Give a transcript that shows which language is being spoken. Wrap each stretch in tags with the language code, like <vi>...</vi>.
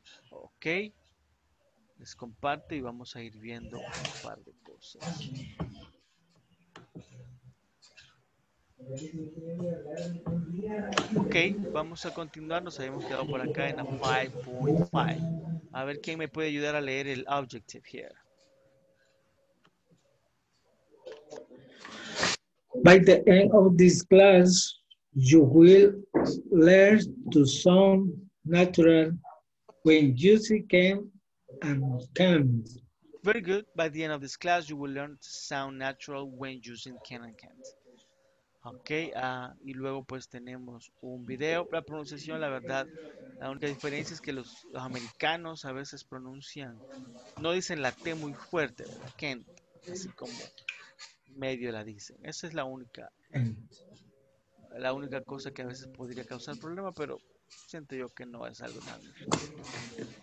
<es>Okay. les comparto y vamos a ir viendo un par de cosas. Ok, vamos a continuar. Nos habíamos quedado por acá en la 5.5. A ver quién me puede ayudar a leer el</es> <en>objective here. By the end of this class, you will learn to sound natural when using can and can't. Very good. By the end of this class, you will learn to sound natural when using can and can't.</en> <es>Ok, y luego pues tenemos un video. La pronunciación, la verdad, la única diferencia es que los americanos a veces pronuncian, no dicen la T muy fuerte, ¿verdad? Can't, así como medio la dicen. Esa es la única cosa que a veces podría causar problema, pero siento yo que no es algo tan difícil.</es>